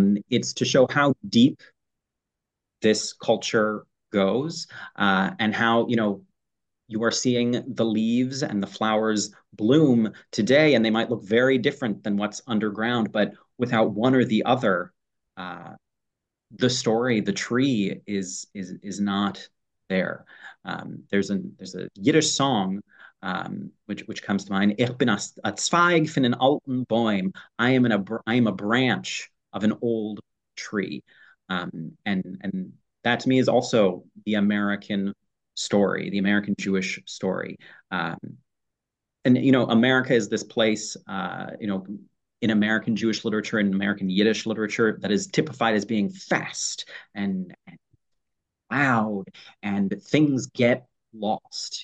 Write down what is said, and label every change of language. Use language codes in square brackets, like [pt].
[en] It's to show how deep this culture goes, and how, you know, you are seeing the leaves and the flowers bloom today, and they might look very different than what's underground, but without one or the other, the story, the tree is not there. There's a Yiddish song, which comes to mind. [yi] Ich bin a Zweig von einem alten Baum. [en] I am a branch of an old tree, and that to me is also the American story, the American Jewish story. And, you know, America is this place, you know, in American Jewish literature and American Yiddish literature that is typified as being fast and loud, and things get lost.